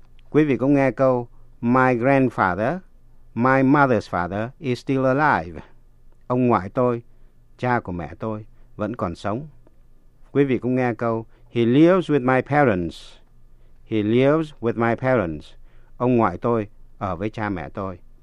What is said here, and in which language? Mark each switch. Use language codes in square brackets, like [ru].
[vi] Quý vị cũng nghe câu [en] my grandfather, my mother's father is still alive. [vi] Ông ngoại tôi, cha của mẹ tôi, vẫn còn sống. Quý vị cũng nghe câu [en] he lives with my parents. He lives with my parents. [vi] Ông ngoại tôi ở với cha mẹ tôi.